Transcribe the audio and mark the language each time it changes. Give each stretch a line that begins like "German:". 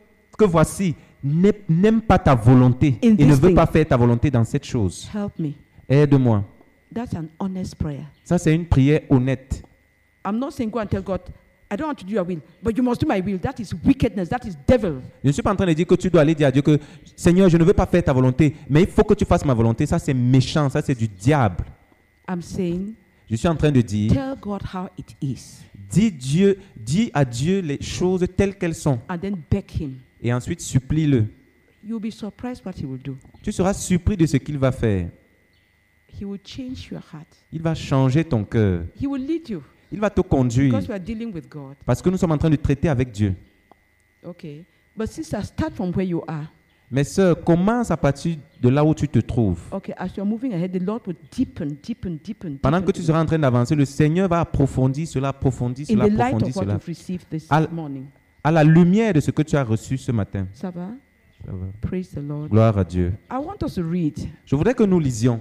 French: Ce cœur que voici n'aime pas ta volonté et ne veut pas faire ta volonté dans cette chose.
English: Help me.
French: Aide-moi.
English: That's an honest prayer.
French: Ça, c'est une prière honnête.
English: I'm not saying go and tell God, I don't want to do your will, but you must do my will. That is wickedness. That is devil.
French: Je ne suis pas en train de dire que tu dois aller dire à Dieu que Seigneur, je ne veux pas faire ta volonté, mais il faut que tu fasses ma volonté. Ça, c'est méchant. Ça, c'est du diable.
English: I'm saying.
French: Je suis en train de dire.
English: Tell God how it is.
French: Dis à Dieu les choses telles qu'elles sont.
English: And then beg him.
French: Et ensuite supplie-le.
English: You'll be surprised what he will do.
French: Tu seras surpris de ce qu'il va faire.
English: He will change your heart.
French: Il va changer ton cœur.
English: He will lead you.
French: Il va te conduire.
English: Because we are dealing with God.
French: Parce que nous sommes en train de traiter avec Dieu.
English: Okay. But sister, start from where you are.
French: Mais sœur, commence à partir de là où tu te trouves.
English: Okay, as you're moving ahead, the Lord will deepen.
French: Pendant que tu seras en train d'avancer, le Seigneur va approfondir cela.
English: In the light of what you've received this morning.
French: À la lumière de ce que tu as reçu ce matin. Ça va? Ça va.
English: Praise the Lord.
French: Gloire à Dieu.
English: I want us to read.
French: Je voudrais que nous lisions.